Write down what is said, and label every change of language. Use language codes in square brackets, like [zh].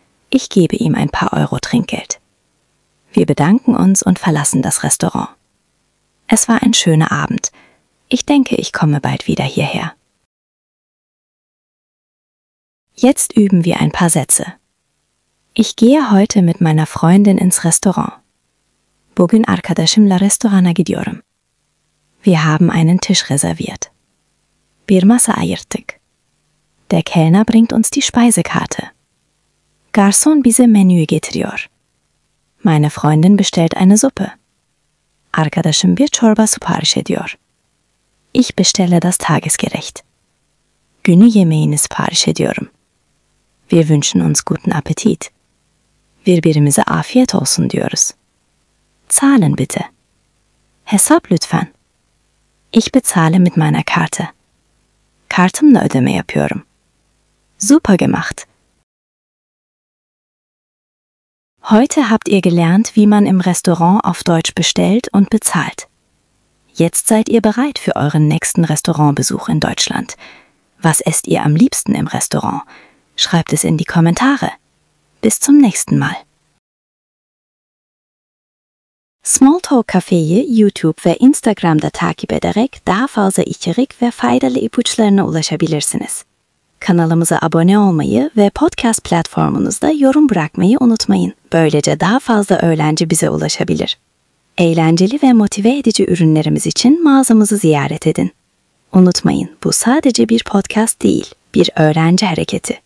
[de] Ich gebe ihm ein paar Euro Trinkgeld. Wir bedanken uns und verlassen das Restaurant. Es war ein schöner Abend. Ich denke, ich komme bald wieder hierher. Jetzt üben wir ein paar Sätze. Ich gehe heute mit meiner Freundin ins Restaurant. [tr] Bugün arkadaşımla restorana gidiyorum. [de] Wir haben einen Tisch reserviert. [tr] Bir masa ayırttık. [de] Der Kellner bringt uns die Speisekarte. [tr] Garson bize menü getiriyor. [de] Meine Freundin bestellt eine Suppe. [tr] Arkadaşım bir çorba sipariş ediyor. [de] Ich bestelle das Tagesgericht. [tr] Günü yemeğini sipariş ediyorum. [de] Wir wünschen uns guten Appetit. [tr] Birbirimize afiyet olsun diyoruz. [de] Zahlen bitte. [tr] Hesap lütfen. [de] Ich bezahle mit meiner Karte. [tr] Kartımla ödeme yapıyorum. [de] Super gemacht. Heute habt ihr gelernt, wie man im Restaurant auf Deutsch bestellt und bezahlt. Jetzt seid ihr bereit für euren nächsten Restaurantbesuch in Deutschland. Was esst ihr am liebsten im Restaurant? Schreibt es in die Kommentare. Bis zum nächsten Mal. [tr] Small Talk Cafe'yi YouTube ve Instagram'da takip ederek daha fazla içerik ve faydalı ipuçlarına ulaşabilirsiniz. Kanalımıza abone olmayı ve podcast platformunuzda yorum bırakmayı unutmayın. Böylece daha fazla öğrenci bize ulaşabilir. Eğlenceli ve motive edici ürünlerimiz için mağazamızı ziyaret edin. Unutmayın, bu sadece bir podcast değil, bir öğrenci hareketi.